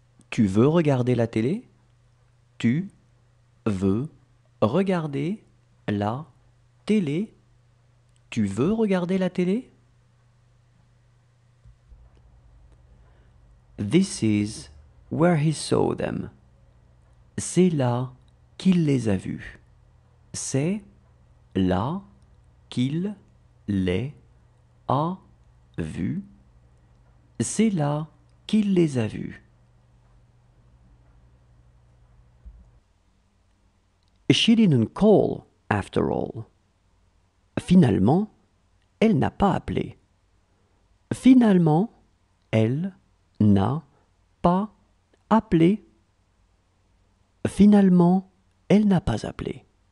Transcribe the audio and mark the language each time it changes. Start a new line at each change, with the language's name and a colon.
French: Tu veux regarder la télé? Tu veux regarder la télé? Tu veux regarder la télé?
English: This is where he saw them.
French: C'est là qu'il les a vus. C'est là qu'il les a vus. C'est là qu'il les a vus.
English: She didn't call, after all.
French: Finalement, elle n'a pas appelé. Finalement, elle n'a pas appelé. Finalement, elle n'a pas appelé.